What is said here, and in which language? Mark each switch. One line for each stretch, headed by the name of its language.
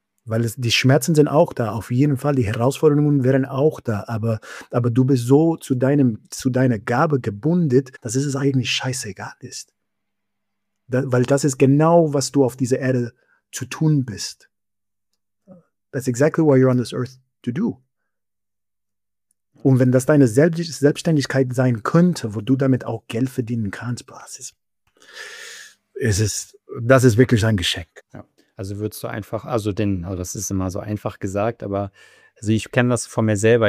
German: Weil die Schmerzen sind auch da, auf jeden Fall. Die Herausforderungen wären auch da. Aber du bist so zu deiner Gabe gebunden, dass es eigentlich scheißegal ist. Weil das ist genau, was du auf dieser Erde zu tun bist.
English: That's exactly what you're on this earth to do.
German: Und wenn das deine Selbstständigkeit sein könnte, wo du damit auch Geld verdienen kannst, das ist wirklich ein Geschenk. Ja. Also würdest du einfach, das ist immer so einfach gesagt, aber also ich kenne das von mir selber.